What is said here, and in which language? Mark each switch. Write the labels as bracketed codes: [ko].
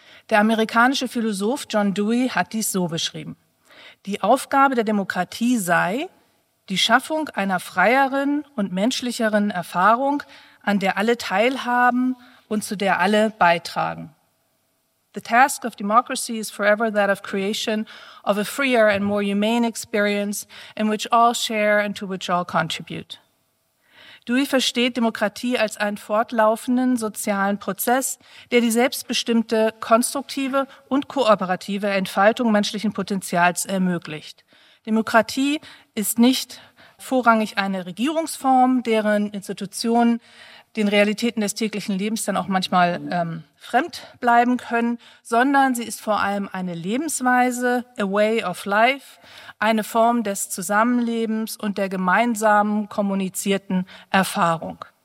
[de] Der amerikanische Philosoph John Dewey hat dies so beschrieben: Die Aufgabe der Demokratie sei, die Schaffung einer freieren und menschlicheren Erfahrung, an der alle teilhaben und zu der alle beitragen. [en] The task of democracy is forever that of creation of a freer and more humane experience in which all share and to which all contribute. [de] Dewey versteht Demokratie als einen fortlaufenden sozialen Prozess, der die selbstbestimmte, konstruktive und kooperative Entfaltung menschlichen Potenzials ermöglicht. Demokratie ist nicht vorrangig eine Regierungsform, deren Institutionen den Realitäten des täglichen Lebens dann auch manchmal fremd bleiben können, sondern sie ist vor allem eine Lebensweise, [en] a way of life, [de] eine Form des Zusammenlebens und der gemeinsamen kommunizierten Erfahrung.